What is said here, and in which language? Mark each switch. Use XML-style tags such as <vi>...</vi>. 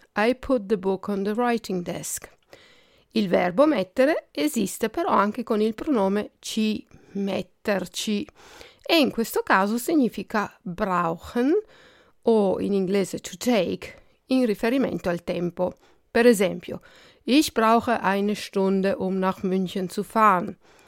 <en>I put the book on the writing desk.</en> <it>Il verbo mettere esiste però anche con il pronome ci, metterci. E in questo caso significa brauchen o in inglese to take, in riferimento al tempo. Per esempio,</it> <de>ich brauche eine Stunde, um nach München zu fahren.</de>